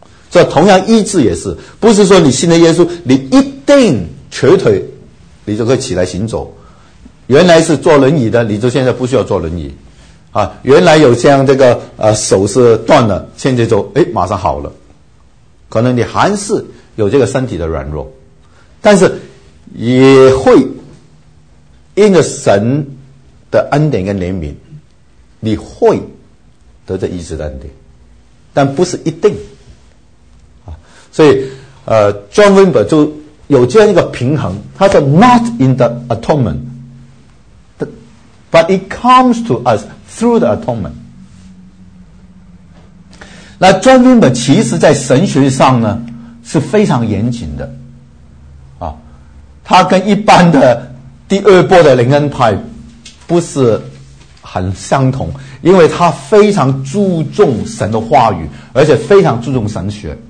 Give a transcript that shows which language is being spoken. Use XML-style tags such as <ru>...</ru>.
<zh>所以同样医治也是，不是说你信了耶稣你一定瘸腿你就可以起来行走，原来是坐轮椅的你就现在不需要坐轮椅啊，原来有像这个手是断了，现在就诶马上好了，可能你还是有这个身体的软弱，但是也会因着神的恩典跟怜悯，你会得着医治的恩典，但不是一定啊。所以，John Wimber 就有这样一个平衡，他说</zh> <en>not in the atonement but it comes to us through the atonement。</en> <zh>那专门本其实在神学上呢是非常严谨的啊，他跟一般的第二波的灵恩派不是很相同，因为他非常注重神的话语，而且非常注重神学。</zh>